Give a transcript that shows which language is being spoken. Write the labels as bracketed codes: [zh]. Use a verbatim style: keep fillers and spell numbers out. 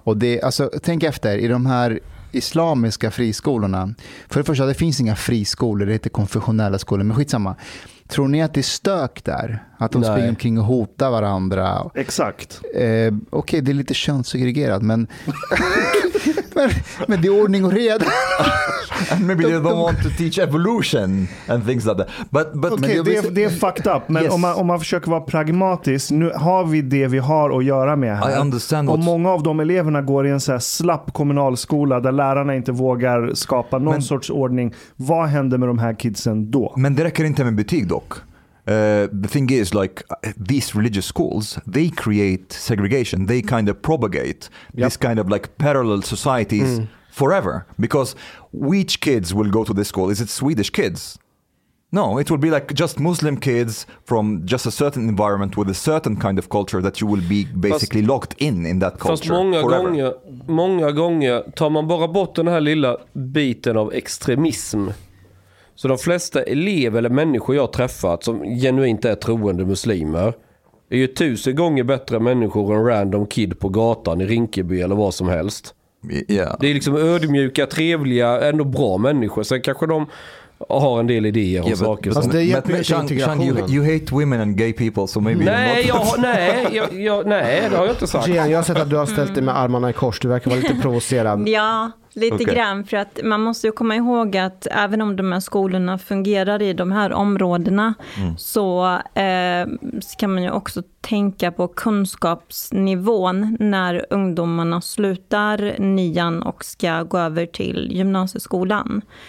[sv] Och det, alltså, tänk efter, i de här islamiska friskolorna, för det första, det finns inga friskolor, det heter konfessionella skolor, men skitsamma. Tror ni att det är stök där? Att de Nej. springer omkring och hotar varandra? Exakt. Eh, Okej, okay, det är lite könssegregerat, men... men, men det är ordning och reda. [en] And maybe they don't want to teach evolution and things like that. But, but [sv] okay, det, är, det är fucked up, men yes. om, man, om man försöker vara pragmatisk, nu har vi det vi har att göra med här. [en] I understand [sv] och många av de eleverna går i en så här slapp kommunalskola där lärarna inte vågar skapa någon men, sorts ordning. Vad händer med de här kidsen då? Men det räcker inte med betyg dock. [en] Uh, the thing is, like, these religious schools, they create segregation. They kind of propagate yep. this kind of like parallel societies mm. forever. Because which kids will go to this school? Is it Swedish kids? No, it will be like just Muslim kids from just a certain environment with a certain kind of culture that you will be basically fast, locked in in that culture. [sv] Fast många [en] forever. [sv] gånger, många gånger tar man bara bort den här lilla biten av extremism. Så de flesta elever eller människor jag träffat som genuint är troende muslimer är ju tusen gånger bättre människor än random kid på gatan i Rinkeby eller vad som helst. [en] Yeah. [sv] Det är liksom ödmjuka, trevliga, ändå bra människor. Sen kanske de har en del idéer om yeah, saker. But, alltså, det hjälper inte integrationen. [en] You, you hate women and gay people, so maybe... [sv] Nej, jag, nej, jag, jag, nej, det har jag inte sagt. Gian, jag har sett att du har ställt dig med armarna i kors. Du verkar vara lite provocerad. Ja. Lite okay. grann, för att man måste ju komma ihåg att även om de här skolorna fungerar i de här områdena mm. så, eh, så kan man ju också tänka på kunskapsnivån när ungdomarna slutar nian och ska gå över till gymnasieskolan.